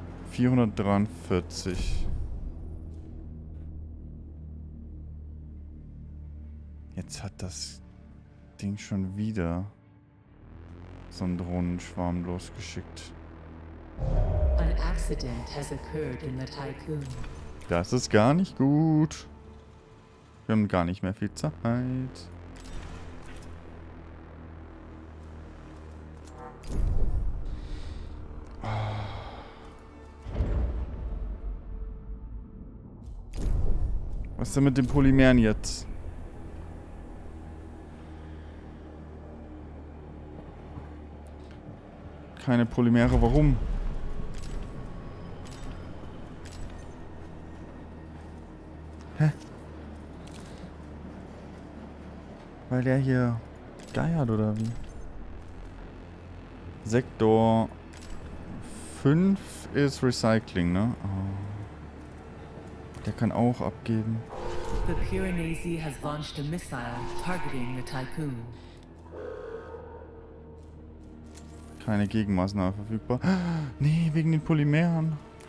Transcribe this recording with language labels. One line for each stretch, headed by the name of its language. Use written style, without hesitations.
German: 443. Jetzt hat das Ding schon wieder so einen Drohnenschwarm losgeschickt.
English: An accident has occurred in the Tycoon.
German: Das ist gar nicht gut. Wir haben gar nicht mehr viel Zeit. Was ist denn mit den Polymeren jetzt? Keine Polymere, warum? Hä? Weil der hier geiert oder wie? Sektor 5 ist Recycling, ne? Oh. Der kann auch abgeben.
English: The Piranesi has launched a missile targeting the Tycoon.
German: Keine Gegenmaßnahme verfügbar. Nee, wegen den Polymeren.